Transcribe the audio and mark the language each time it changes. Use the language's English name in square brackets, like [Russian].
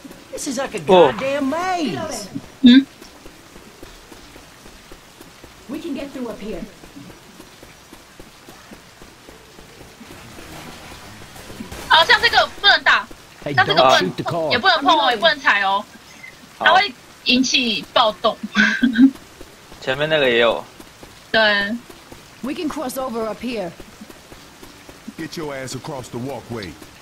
[English] This is like a goddamn maze. 嗯。We can get through up here. [Chinese] 好像这个不能打，像这个不能也不能碰哦，也不能踩哦，它会引起暴动。前面那个也有。对。 [English] We can cross over up here. Get your ass across the walkway.